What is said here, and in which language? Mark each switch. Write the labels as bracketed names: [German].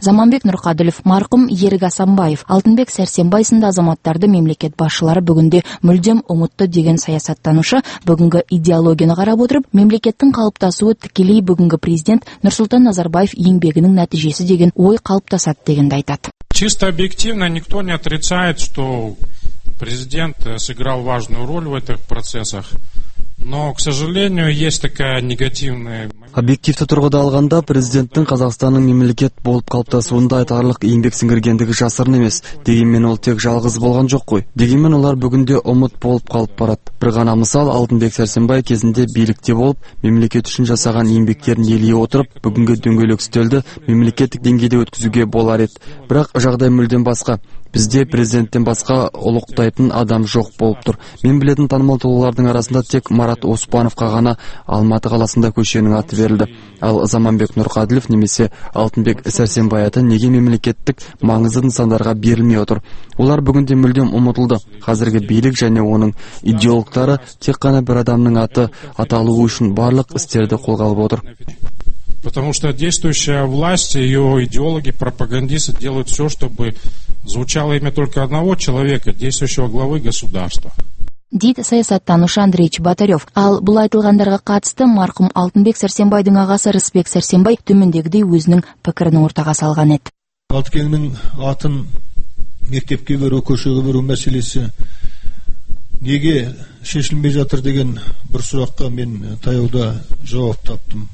[Kazakh] Заманбек Нұрқаділов, марқұм Ерік Асанбаев, Алтынбек Сәрсенбай сынды азаматтарды мемлекет басшылары бүгінде мүлдем ұмытты деген саясаттанушы бүгінгі идеологияны қарап отырып, мемлекеттің қалыптасуы тікелей бүгінгі президент Нұрсұлтан Назарбаев еңбегінің нәтижесі деген ой қалыптасады дегенді айтады. [Russian] Чисто объективно никто не отрицает, что президент сыграл важную роль в этих процессах. Но, к сожалению, есть такая негативная... [Kazakh] Объективті тұрғыда алғанда, президенттің Қазақстанның мемлекет болып қалыптасуында айтарлық еңбек сіңіргендігі жасырын емес. Дегенмен ол тек жалғыз болған жоқ қой. Дегенмен олар бүгінде ұмыт болып қалып барады. Бір ғана мысал, Алтынбек Сәрсенбай кезінде билікте болып, мемлекет үшін жасаған еңбектерін елей отырып, бүгінгі дөңгелек үстелді мемлекеттік деңгейде өткізуге болар еді. Бірақ жағдай мүлдем басқа. Бізде президенттен басқа ұлықтайтын адам жоқ болып тұр. Мен білетін танымал тұлғалардың арасында тек Марат Оспановқа ғана Алматы қаласында көшенің аты берілді. Ал Заманбек Нұрқаділов немесе Алтынбек Сәрсенбай аты неге мемлекеттік маңызды нысандарға берілмей отыр? Олар бүгінде мүлдем ұмытылды. Қазіргі билік және оның идеологтары тек қана бір адамның аты аталуы үшін барлық істерді қолға алып отыр. [Russian] Потому что действующая власть, ее идеологи, пропагандисты делают все, чтобы звучало имя только одного человека, действующего главы государства. [Kazakh] Дид саясаттанушы Андрей Чеботарев. Ал бұл айтылғандарға қатысты марқұм Алтынбек Сәрсенбайдың ағасы Рысбек Сәрсенбай төмендегідей өзінің пікірін ортаға салған еді. Алтынбектің атын мектепке беру, көшеге беру мәселесі неге шешілмей жатыр деген бір сұраққа мен таяуда жауап таптым.